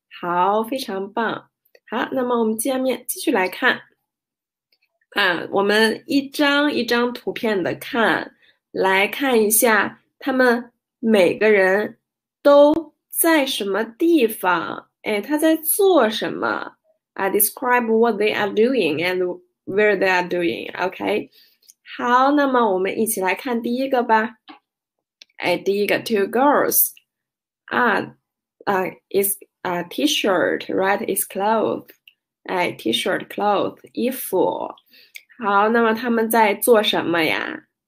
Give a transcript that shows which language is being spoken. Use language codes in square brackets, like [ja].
[zh] 好，非常棒。好，那么我们下面继续来看。啊，我们一张一张图片的看，来看一下他们每个人都在什么地方。哎，他在做什么？ [en] I describe what they are doing and where they are doing. [zh] OK，好，那么我们一起来看第一个吧。哎，第一个， [en] two girls，is T-shirt, right? Is clothes. 哎，T-shirt, clothes, 衣服。 [zh] 好，那么他们在做什么呀？